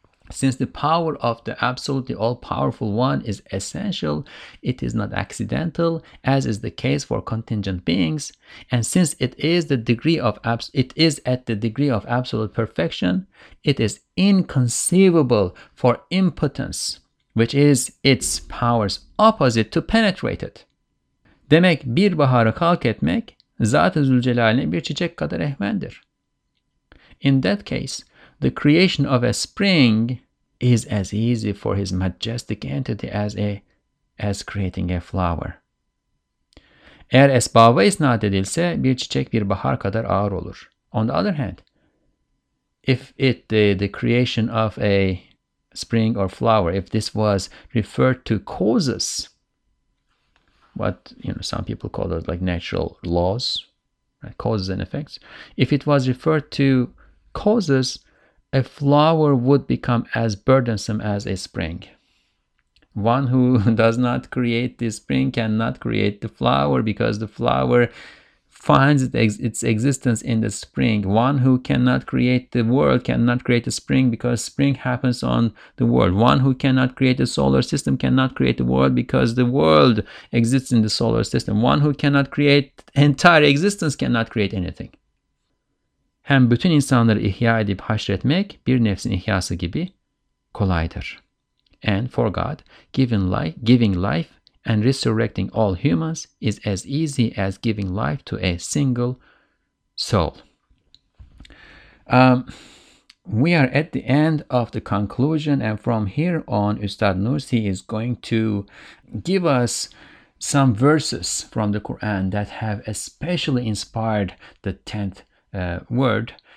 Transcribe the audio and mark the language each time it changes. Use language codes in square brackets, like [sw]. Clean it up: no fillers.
[en] Since the power of the absolutely all-powerful one is essential, it is not accidental, as is the case for contingent beings. And since it is at the degree of absolute perfection, it is inconceivable for impotence, which is its power's opposite, to penetrate it. [tr] Demek bir baharı kalk etmek, Zat-ı Zülcelal'in bir çiçek kadar ehvendir. [en] In that case, the creation of a spring is as easy for his majestic entity as creating a flower. [tr] Eğer esbaba isnat edilse, bir çiçek bir bahar kadar ağır olur. [en] On the other hand, if the creation of a spring or flower, if this was referred to causes, what you know some people call it like natural laws, right, causes and effects, if it was referred to causes, A flower would become as burdensome as a spring. One who does not create the spring cannot create the flower, because the flower finds its existence in the spring. One who cannot create the world cannot create the spring, because spring happens on the world. One who cannot create the solar system cannot create the world, because the world exists in the solar system. One who cannot create entire existence cannot create anything. [tr] Hem bütün insanları ihya edip haşretmek bir nefsin ihyası gibi kolaydır. [en] And for God, giving life and resurrecting all humans is as easy as giving life to a single soul. We are at the end of the conclusion, and from here on, Üstad Nursi is going to give us some verses from the Quran that have especially inspired the 10th word.